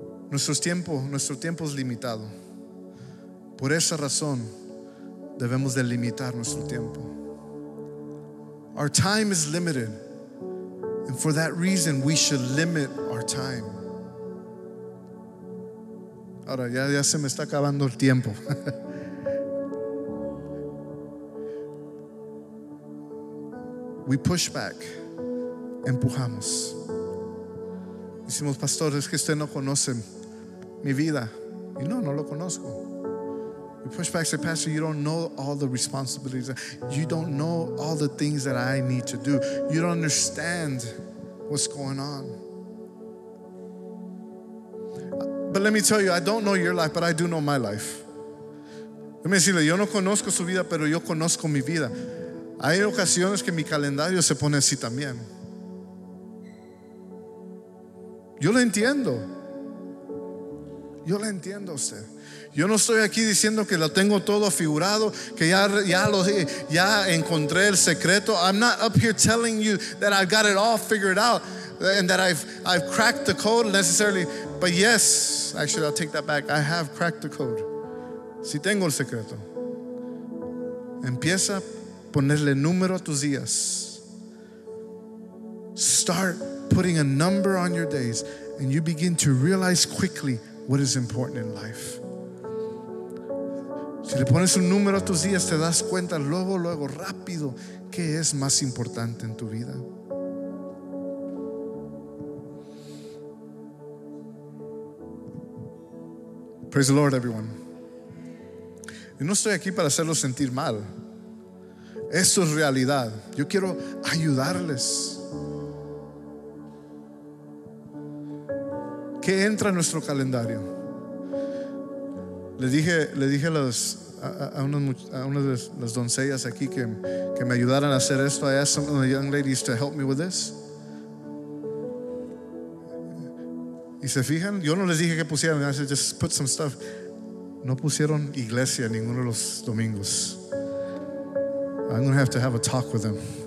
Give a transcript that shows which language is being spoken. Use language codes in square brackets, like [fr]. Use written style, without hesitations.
[es] Nuestro tiempo es limitado. Por esa razón, debemos de limitar nuestro tiempo. [en] Our time is limited. And for that reason, we should limit our time. [es] Ahora, ya se me está acabando el tiempo. [en] We push back. [es] Empujamos. Decimos, pastor, es que usted no conoce mi vida. Y no, no lo conozco. [en] We push back and say, pastor, you don't know all the responsibilities. You don't know all the things that I need to do. You don't understand what's going on. But let me tell you, I don't know your life, but I do know my life. Let me [es] decirle, yo no conozco su vida, pero yo conozco mi vida. Hay ocasiones que mi calendario se pone así también. Yo lo entiendo. Yo la entiendo a usted. Yo no estoy aquí diciendo que lo tengo todo figurado, que ya encontré el secreto. [en] I'm not up here telling you that I've got it all figured out and that I've cracked the code necessarily. But yes, actually I'll take that back. I have cracked the code. [es] Si tengo el secreto. Empieza a ponerle número a tus días. [en] Start putting a number on your days and you begin to realize quickly what is important in life. [es] Si le pones un número a tus días, te das cuenta luego, rápido, qué es más importante en tu vida. [en] Praise the Lord, everyone. [es] Y no estoy aquí para hacerlos sentir mal. Esto es realidad. Yo quiero ayudarles. ¿Qué entra en nuestro calendario? Le dije a las unas de las doncellas aquí que me ayudaran a hacer esto. [en] I asked some of the young ladies to help me with this. [es] Y se fijan, yo no les dije que pusieran. [en] I said just put some stuff. [es] No pusieron iglesia ninguno de los domingos. [en] I'm gonna have to have a talk with them.